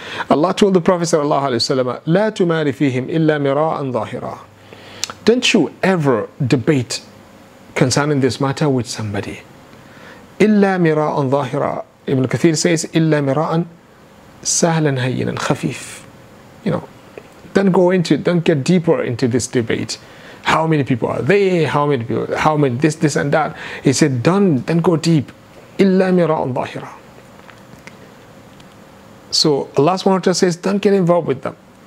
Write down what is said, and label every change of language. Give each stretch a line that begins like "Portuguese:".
Arabic: Allah
English: told the Prophet
Arabic: sallallahu alaihi wasallam, لا تماري فيهم إلا مراء ظاهرا.
English: Don't you ever debate concerning this matter with somebody.
Arabic: إلا مراء ظاهرا.
English: Ibn Kathir says,
Arabic: إلا مراء سهلا هينا خفيف.
English: You know, don't get deeper into this debate. How many people are they? How many people? How many this, this and that? He said, don't go deep.
Arabic: إِلَّا مِرَاءً ظَاهِرًا.
English: So Allah subhanahu wa ta'ala says, don't get involved with them.